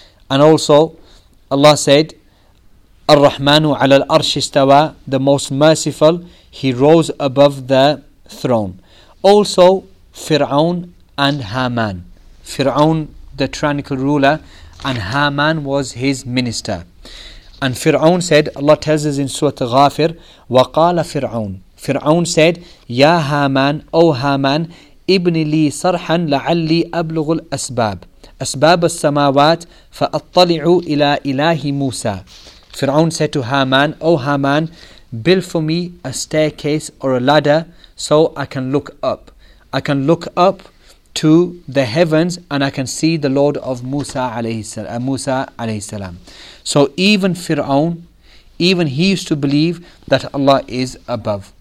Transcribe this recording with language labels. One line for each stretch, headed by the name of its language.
English: And also Allah said,
Arabic: الرحمن على الأرش استوى,
English: the most merciful, he rose above the throne. Also Fir'aun and Haman. Fir'aun, the tyrannical ruler, and Haman was his minister. And Fir'aun said, Allah tells us in Surah Ghafir,
Arabic: وَقَالَ فِرْعَوْن, Fir'aun said, يَا هَامَان, O هَامَان, إِبْنِ لِي صَرْحًا لَعَلِّي أَبْلُغُ الْأَسْبَابِ أَسْبَابَ السَّمَاوَاتِ فَأَطَّلِعُوا إِلَىٰ إِلَهِ مُوسَى.
English: Fir'aun said to Haman, O Haman, build for me a staircase or a ladder so I can look up. I can look up to the heavens and I can see the Lord of Musa alayhi salam. So even Fir'aun, even he used to believe that Allah is above.